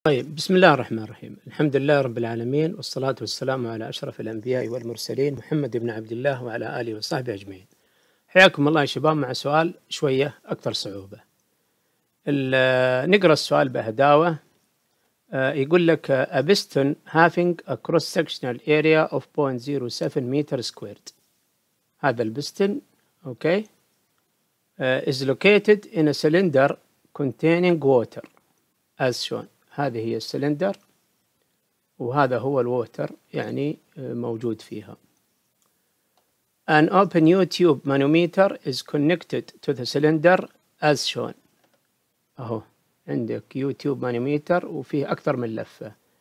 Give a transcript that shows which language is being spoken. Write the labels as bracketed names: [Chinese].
[Arabic] طيب، بسم الله الرحمن الرحيم. الحمد لله رب العالمين، والصلاة والسلام على أشرف الأنبياء والمرسلين محمد بن عبد الله وعلى آله وصحبه أجمعين. حياكم الله يا شباب مع سؤال شوية أكثر صعوبة. نقرأ السؤال بهداوة. يقول لك [English] A piston having a cross-sectional area of 0.07 meter squared. [Arabic] هذا البستن okay. [English] Is located in a cylinder containing water as shown. [Arabic] هذه هي السلندر وهذا هو الووتر، يعني موجود فيها. [English] An open U-tube manometer is connected to the cylinder as shown. [Arabic] أهو عندك U-tube manometer وفيه أكثر من لفة.